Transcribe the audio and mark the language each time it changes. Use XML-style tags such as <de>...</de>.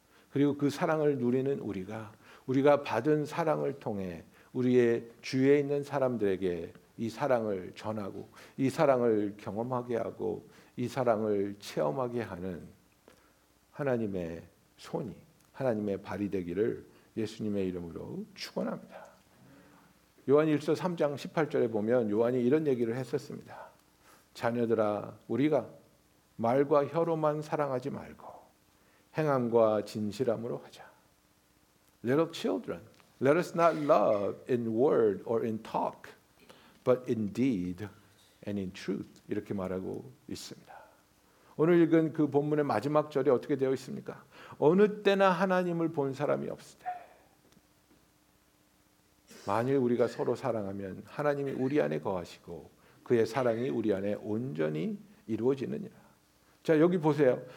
<ko>그리고 그 사랑을 누리는 우리가 받은 사랑을 통해 우리의 주위에 있는 사람들에게 이 사랑을 전하고 이 사랑을 경험하게 하고 이 사랑을 체험하게 하는 하나님의 손이, 하나님의 발이 되기를 예수님의 이름으로 축원합니다. 요한일서 3장 18절에 보면 요한이 이런 얘기를 했었습니다. 자녀들아, 우리가 말과 혀로만 사랑하지 말고 행함과 진실함으로 하자.</ko> <en>Little children, let us not love in word or in talk, but in deed and in truth.</en> <ko>이렇게 말하고 있습니다. 오늘 읽은 그 본문의 마지막 절이 어떻게 되어 있습니까? 어느 때나 하나님을 본 사람이 없을 때, 만일 우리가 서로 사랑하면 하나님이 우리 안에 거하시고 그의 사랑이 우리 안에 온전히 이루어지느니라. 자, 여기 보세요.</ko>